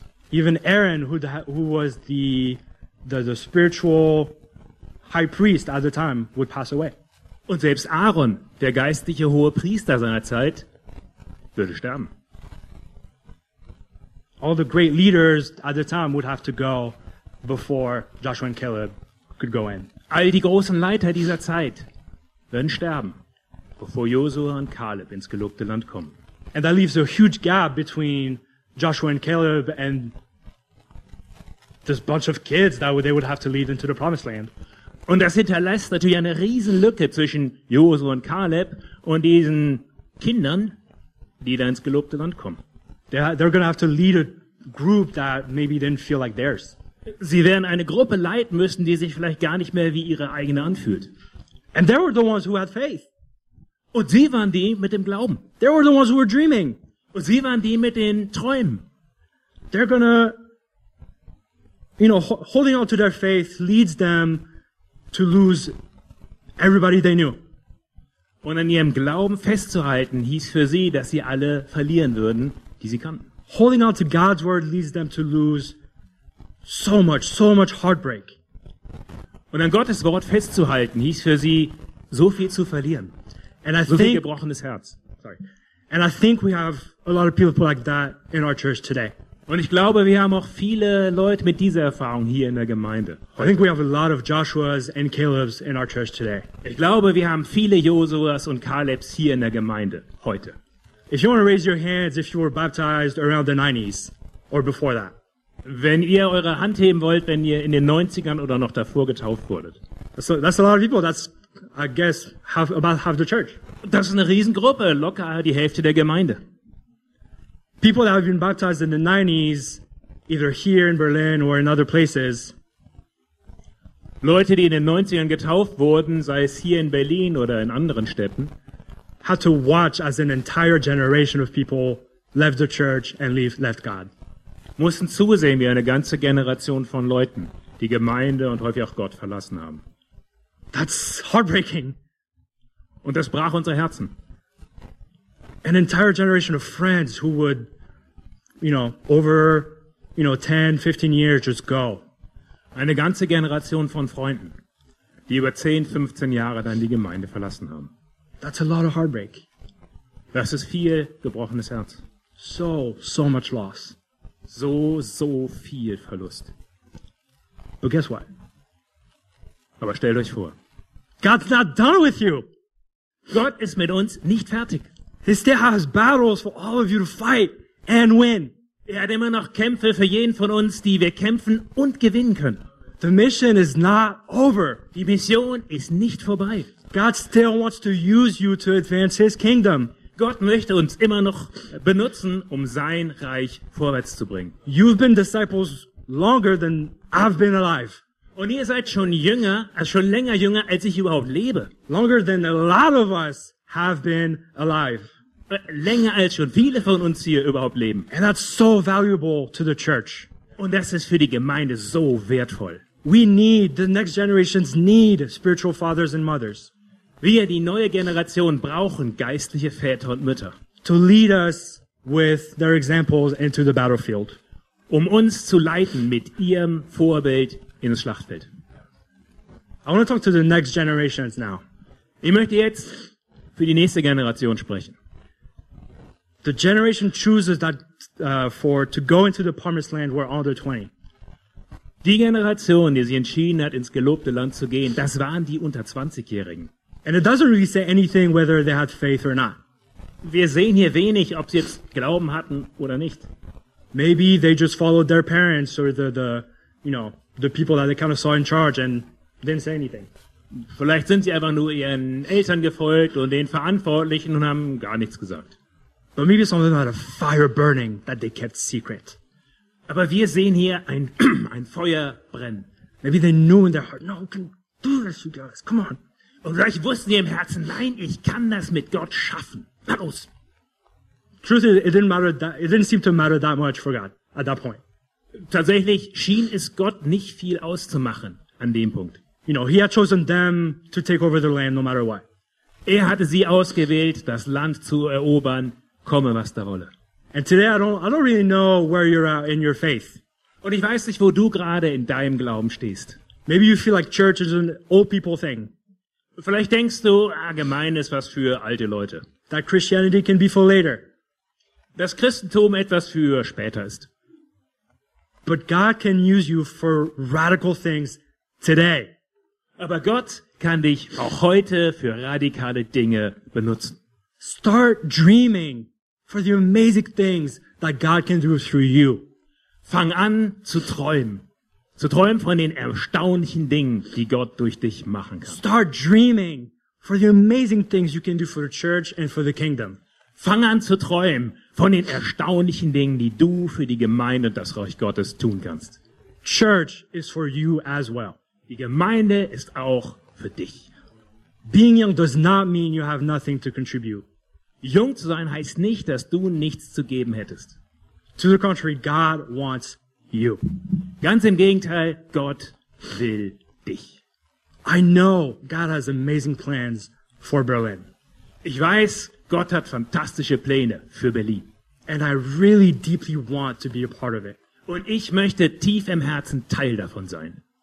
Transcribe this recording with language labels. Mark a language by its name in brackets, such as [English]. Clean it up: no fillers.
[English] Even Aaron, who was the spiritual high priest at the time, would pass away. [German] Und selbst Aaron, der geistliche hohe Priester seiner Zeit, würde sterben. [English] All the great leaders at the time would have to go before Joshua and Caleb could go in. [German] All die großen Leiter dieser Zeit würden sterben, bevor Josua und Caleb ins gelobte Land kommen. [English] And that leaves a huge gap between Joshua and Caleb and this bunch of kids that they would have to lead into the promised land. [German] Und das hinterlässt natürlich eine riesen Lücke zwischen Josua und Caleb und diesen Kindern, die da ins gelobte Land kommen. [English] They're going to have to lead a group that maybe didn't feel like theirs. [German] Sie werden eine Gruppe leiten müssen, die sich vielleicht gar nicht mehr wie ihre eigene anfühlt. [English] And they were the ones who had faith. [German] Und sie waren die mit dem Glauben. [English] They were the ones who were dreaming. [German] Und sie waren die mit den Träumen. [English] They're going to, you know, holding on to their faith leads them to lose everybody they knew. [German] Und an ihrem Glauben festzuhalten hieß für sie, dass sie alle verlieren würden, die sie kannten. [English] Holding on to God's word leads them to lose so much heartbreak. [German] Und an Gottes Wort festzuhalten hieß für sie, so viel zu verlieren. [English] And I [German] so [English] think, [German] viel gebrochenes Herz. [English] Sorry. And I think we have a lot of people like that in our church today. [German] Und ich glaube, wir haben auch viele Leute mit dieser Erfahrung hier in der Gemeinde. [English] I think we have a lot of Joshuas and Calebs in our church today. [German] Ich glaube, wir haben viele Josuas und Calebs hier in der Gemeinde heute. [English] If you want to raise your hands if you were baptized around the 90s or before that. [German] Wenn ihr eure Hand heben wollt, wenn ihr in den 90ern oder noch davor getauft wurdet. [English] That's a lot of people. That's, I guess, about half the church. [German] Das ist eine Riesengruppe, locker die Hälfte der Gemeinde. [English] People that have been baptized in the 90s, either here in Berlin or in other places. [German] Leute, die in den 90ern getauft wurden, sei es hier in Berlin oder in anderen Städten, [English] had to watch as an entire generation of people left the church and left God. [German] Mussten zusehen, wie eine ganze Generation von Leuten die Gemeinde und häufig auch Gott verlassen haben. [English] That's heartbreaking. [German] Und das brach unsere Herzen. [English] An entire generation of friends who would, you know, over, you know, 10, 15 years just go. [German] Eine ganze Generation von Freunden, die über 10, 15 Jahre dann die Gemeinde verlassen haben. [English] That's a lot of heartbreak. [German] Das ist viel gebrochenes Herz. [English] So much loss. [German] So viel Verlust. [English] But guess what? [German] Aber stellt euch vor. [English] God's not done with you. [German] Gott ist mit uns nicht fertig. [English] He still has battles for all of you to fight and win. [German] Er hat immer noch Kämpfe für jeden von uns, die wir kämpfen und gewinnen können. [English] The mission is not over. [German] Die Mission ist nicht vorbei. [English] God still wants to use you to advance his kingdom. [German] Gott möchte uns immer noch benutzen, um sein Reich vorwärts zu bringen. [English] You've been disciples longer than I've been alive. [German] Und ihr seid schon länger jünger, als ich überhaupt lebe. [English] Longer than a lot of us have been alive. [German] Länger als schon viele von uns hier überhaupt leben. [English] And that's so valuable to the church. [German] Und das ist für die Gemeinde so wertvoll. [English] We need, the next generations need spiritual fathers and mothers. [German] Wir, die neue Generation, brauchen geistliche Väter und Mütter. [English] To lead us with their examples into the battlefield. [German] Um uns zu leiten mit ihrem Vorbild ins Schlachtfeld. [English] I want to talk to the next generations now. [German] Ich möchte jetzt für die nächste Generation sprechen. [English] The generation chooses that for to go into the promised land were under 20. [German] Die Generation, die sich entschieden hat, ins gelobte Land zu gehen, das waren die unter 20-Jährigen. [English] And it doesn't really say anything whether they had faith or not. [German] Wir sehen hier wenig, ob sie jetzt Glauben hatten oder nicht. [English] Maybe they just followed their parents or the people that they kind of saw in charge and didn't say anything. [German] Vielleicht sind sie einfach nur ihren Eltern gefolgt und den Verantwortlichen und haben gar nichts gesagt. [English] But maybe some of them had a fire burning that they kept secret. [German] Aber wir sehen hier ein Feuer brennen. [English] Maybe they knew in their heart, no, we can do this, you guys, come on. [German] Und vielleicht wussten sie im Herzen, nein, ich kann das mit Gott schaffen. Na los. [English] Truth is, it didn't seem to matter that much for God at that point. [German] Tatsächlich schien es Gott nicht viel auszumachen an dem Punkt. [English] You know, he had chosen them to take over the land no matter what. [German] Er hatte sie ausgewählt, das Land zu erobern, komme was da wolle. [English] And today I don't really know where you're at in your faith. [German] Und ich weiß nicht, wo du gerade in deinem Glauben stehst. [English] Maybe you feel like church is an old people thing. [German] Vielleicht denkst du, Gemeinde ist was für alte Leute. [English] That Christianity can be for later. [German] Dass Christentum etwas für später ist. [English] But God can use you for radical things today. [German] Aber Gott kann dich auch heute für radikale Dinge benutzen. [English] Start dreaming for the amazing things that God can do through you. [German] Fang an zu träumen. Zu träumen von den erstaunlichen Dingen, die Gott durch dich machen kann. [English] Start dreaming for the amazing things you can do for the church and for the kingdom. [German] Fang an zu träumen von den erstaunlichen Dingen, die du für die Gemeinde und das Reich Gottes tun kannst. [English] Church is for you as well. [German] Die Gemeinde ist auch für dich. [English] Being young does not mean you have nothing to contribute. [German] Jung zu sein heißt nicht, dass du nichts zu geben hättest. [English] To the contrary, God wants you. [German] Ganz im Gegenteil, Gott will dich. [English] I know God has amazing plans for Berlin. [German] Ich weiß, Gott hat fantastische Pläne für Berlin. [English] And I really deeply want to be a part of it. [German] Und ich möchte tief im Herzen Teil davon sein.